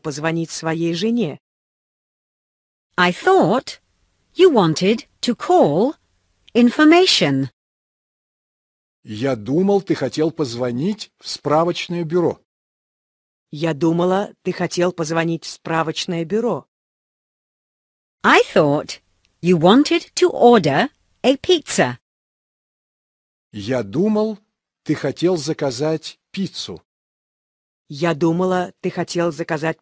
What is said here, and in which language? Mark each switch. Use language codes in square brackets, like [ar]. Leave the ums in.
[ru] позвонить своей жене. [en] I thought you wanted to call information. [ru] Я думал, ты хотел позвонить в справочное бюро. Я думала, ты хотел позвонить в справочное бюро. [en] I thought you wanted to order a pizza. [ru] Я думал, ты хотел заказать пиццу. Я думала, ты хотел заказать